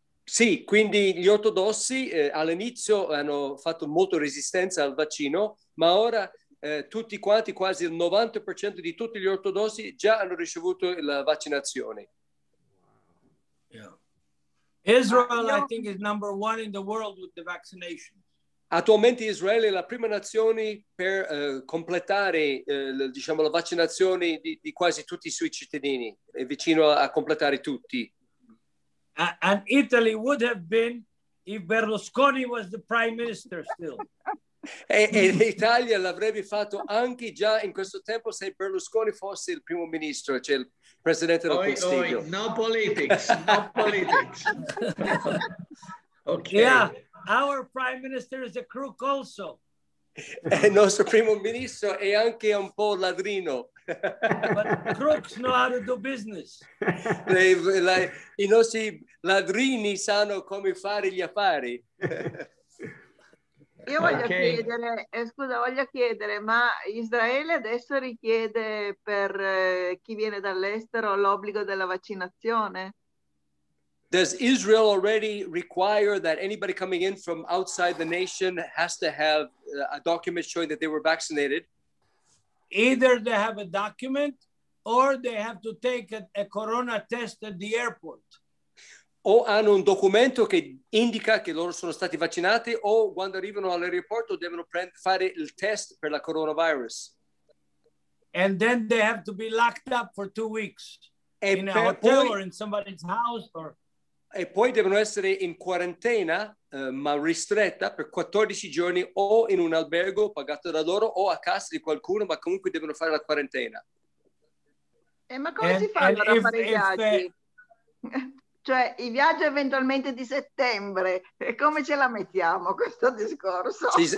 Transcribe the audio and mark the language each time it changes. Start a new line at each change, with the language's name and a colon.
Italian: Sì, quindi gli ortodossi all'inizio hanno fatto molto resistenza al vaccino, ma ora tutti quanti, quasi il 90% di tutti gli ortodossi già hanno ricevuto la vaccinazione.
English: Yeah. Israel, I think, is number one in the world with the vaccination.
Italian: Attualmente Israele è la prima nazione per completare, diciamo, la vaccinazione di quasi tutti i suoi cittadini, è vicino a completare tutti.
English: And Italy would have been if Berlusconi was the prime minister still.
Italian: E l'Italia l'avrebbe fatto anche già in questo tempo se Berlusconi fosse il primo ministro, cioè il presidente del Consiglio.
English: No politics, no politics. Okay. Yeah, our prime minister is a crook also.
Italian: Il nostro primo ministro è anche un po' ladrino.
English: But crooks know how to do business.
Italian: I nostri ladrini sanno come fare gli affari. Io voglio chiedere, scusa, voglio chiedere, ma Israele adesso richiede per chi viene dall'estero l'obbligo della vaccinazione?
English: Does Israel already require that anybody coming in from outside the nation has to have a document showing that they were vaccinated? Either they have a document or they have to take a corona test at the airport.
Italian: O hanno un documento che indica che loro sono stati vaccinati o quando arrivano all'aeroporto devono fare il test per la coronavirus.
English: And then they have to be locked up for 2 weeks in a hotel or in somebody's house or...
Italian: E poi devono essere in quarantena, ma ristretta, per 14 giorni o in un albergo pagato da loro o a casa di qualcuno, ma comunque devono fare la quarantena. Ma come si fa a fare i viaggi? Cioè, il viaggio eventualmente di settembre, e come ce la mettiamo questo discorso?